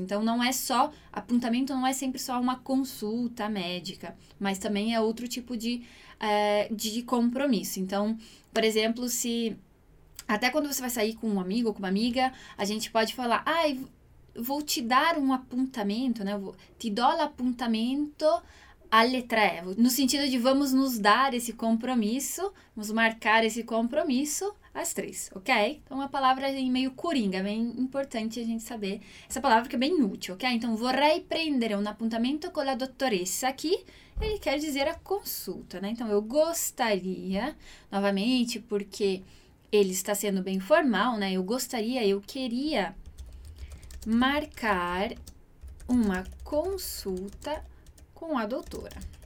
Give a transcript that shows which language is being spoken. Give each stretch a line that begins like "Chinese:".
Portuguese: Então, não é só, apuntamento não é sempre só uma consulta médica, mas também é outro tipo de compromisso. Então, por exemplo, se... Até quando você vai sair com um amigo ou com uma amiga, a gente pode falar, vou te dar um apuntamento, né?
Italian: Ti do l'appuntamento alle tre.
Portuguese: No sentido de vamos nos dar esse compromisso, vamos marcar esse compromisso às três, ok? Então, uma palavra meio coringa, bem importante a gente saber essa palavra, que é bem útil, ok?
Italian: Então, vorrei prendere un appuntamento con la dottoressa aqui.
Portuguese: Ele quer dizer a consulta, né? Então, eu gostaria, novamente, porque... Ele está sendo bem formal, né? Eu queria marcar uma consulta com a doutora.